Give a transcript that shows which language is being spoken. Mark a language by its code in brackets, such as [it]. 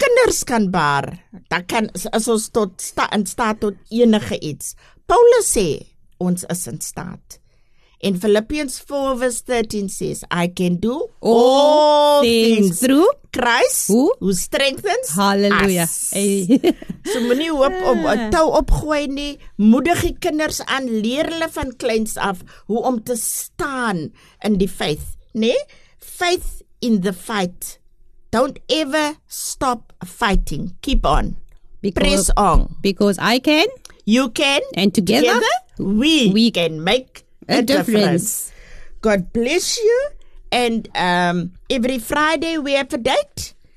[af] Kinders kan baar, dan kan, is ons tot in staat tot enige iets. Paulus sê, ons is in staat. [en] In Philippians 4 verse 13 says, I can do all things through Christ who strengthens Hallelujah. [af] Us. So moenie hoop om tou opgooi nie. Moedig die kinders aan, leer hulle van kleins af hoe om te staan in die faith. [en] Nee? Faith in the fight. Don't ever stop fighting. Keep on. Press on. Because I can. You can. And together we can make a difference. God bless you. And every Friday we have a date.